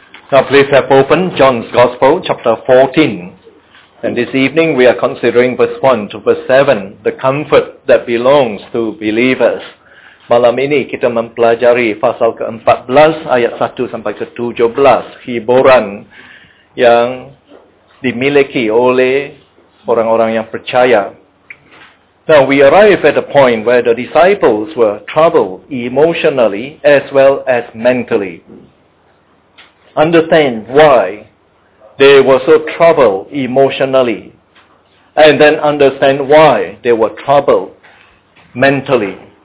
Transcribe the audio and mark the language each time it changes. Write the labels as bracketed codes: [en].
[en] Now please have opened John's Gospel, chapter 14. And this evening we are considering verse 1 to verse 7, the comfort that belongs to believers. [ms] Malam ini kita mempelajari pasal ke-14 ayat 1 sampai ke-17, hiburan yang dimiliki oleh orang-orang yang percaya. [en] Now we arrive at a point where the disciples were troubled emotionally as well as mentally. Understand why they were so troubled emotionally, and then understand why they were troubled mentally.